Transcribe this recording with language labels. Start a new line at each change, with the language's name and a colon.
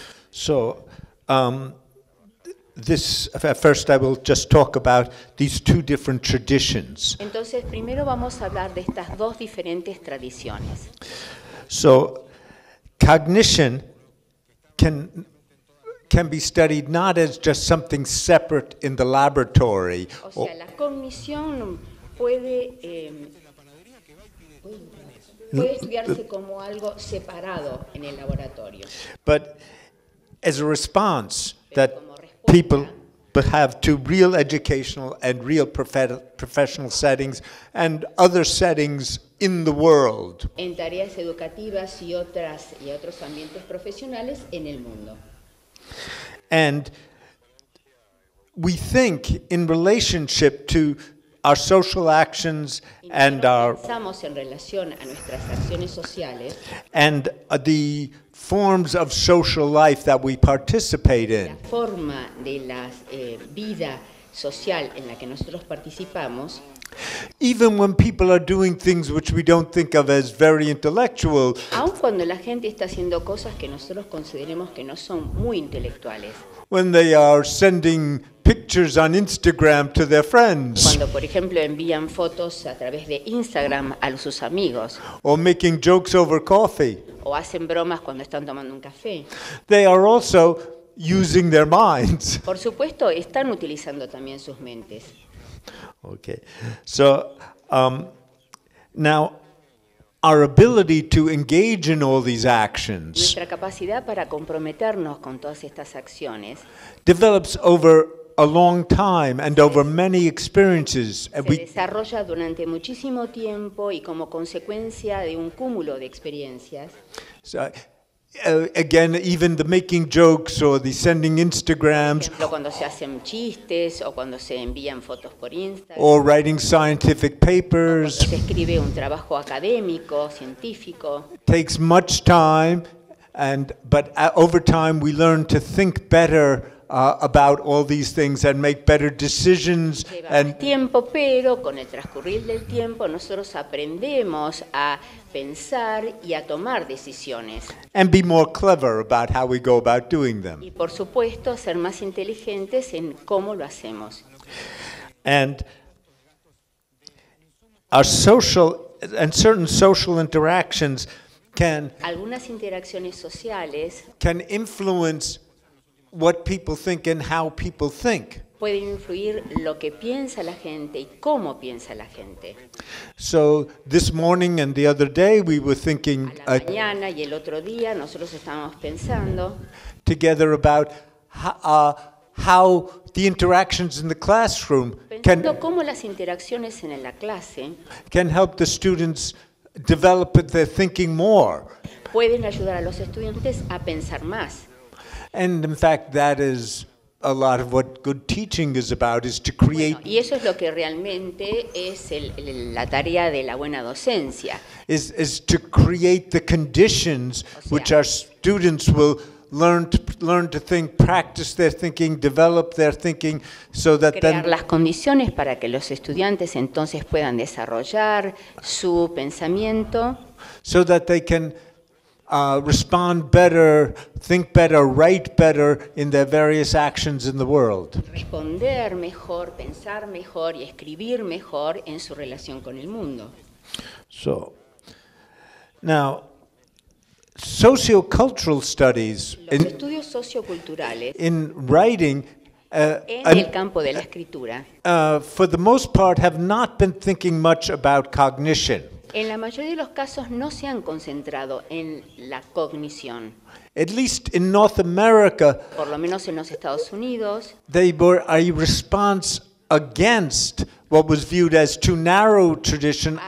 English: So, this first I will just talk about these two different traditions.
Spanish: Entonces, primero vamos a hablar de estas dos diferentes tradiciones.
English: So, cognition can be studied not as just something separate in the laboratory.
Spanish: O sea, la cognición puede estudiarse como algo separado en el laboratorio.
English: But as a response that people have to real educational and real professional settings and other settings in the world.
Spanish: En tareas educativas y otros ambientes profesionales en el mundo.
English: And we think in relationship to our social actions and our
Spanish: pensamos en relación a nuestras acciones sociales
English: and the forms of social life that we participate in.
Spanish: La forma de la vida social en la que nosotros participamos.
English: Even when people are doing things which we don't think of as very intellectual.
Spanish: Aun cuando la gente está haciendo cosas que nosotros consideremos que no son muy intelectuales.
English: When they are sending pictures on Instagram to their friends.
Spanish: Cuando, por ejemplo, envían fotos a través de Instagram a sus amigos.
English: Or making jokes over coffee.
Spanish: O hacen bromas cuando están tomando un café.
English: They are also using their minds.
Spanish: Por supuesto, están utilizando también sus mentes.
English: Okay. So, now our ability to engage in all these actions.
Spanish: Nuestra capacidad para comprometernos con todas estas acciones
English: develops over a long time and over many experiences.
Spanish: Se desarrolla durante muchísimo tiempo y como consecuencia de un cúmulo de experiencias.
English: So, again, even the making jokes or the sending Instagrams.
Spanish: Por ejemplo, cuando se hacen chistes o cuando se envían fotos por Instagram.
English: Or writing scientific papers.
Spanish: Se escribe un trabajo académico, científico.
English: Takes much time, but over time we learn to think better about all these things and make better decisions. And
Spanish: tiempo, pero con el transcurrir del tiempo nosotros aprendemos a pensar y a tomar decisiones.
English: And be more clever about how we go about doing them.
Spanish: Y por supuesto ser más inteligentes en cómo lo hacemos.
English: And our social and certain social interactions can
Spanish: algunas interacciones sociales
English: can influence what people think and how people think.
Spanish: Puede influir lo que piensa la gente y cómo piensa la gente.
English: So this morning and the other day we were thinking
Spanish: a la mañana y el otro día nosotros estábamos pensando
English: together about how the interactions in the classroom can
Spanish: cómo las interacciones en la clase
English: can help the students develop their thinking more.
Spanish: pueden ayudar a los estudiantes a pensar más.
English: And in fact, that is a lot of what good teaching is about, is to create.
Spanish: Bueno, y eso es lo que realmente es la tarea de la buena docencia.
English: Is to create the conditions,
Spanish: o sea,
English: which our students will learn to think, practice their thinking, develop their thinking, so that
Spanish: crear
English: then
Spanish: las condiciones para que los estudiantes entonces puedan desarrollar su pensamiento,
English: so that they can respond better, think better, write better in their various actions in the world.
Spanish: Responder mejor, pensar mejor y escribir mejor en su relación con el mundo.
English: So, now, sociocultural studies
Spanish: in, los estudios socioculturales
English: in writing
Spanish: en el campo de la escritura,
English: for the most part, have not been thinking much about cognition.
Spanish: En la mayoría de los casos no se han concentrado en la cognición.
English: At least in North America,
Spanish: por lo menos en los Estados Unidos,
English: they were a response against what was viewed as too narrow tradition